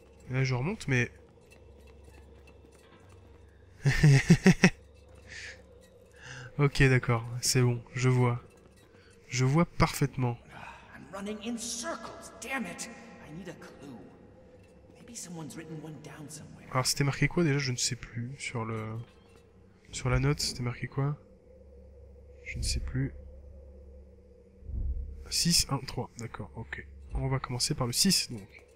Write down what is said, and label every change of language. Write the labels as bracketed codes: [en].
[fr] Et là, je remonte, mais. Ok, d'accord, c'est bon, je vois. Je vois parfaitement. [en] I'm running in circles, damn it! I need a clue. Maybe someone's written one down somewhere. [fr] Alors, c'était marqué quoi déjà? Je ne sais plus. Sur le. Sur la note, c'était marqué quoi? Je ne sais plus. 6, 1, 3. D'accord, ok. On va commencer par le 6, donc.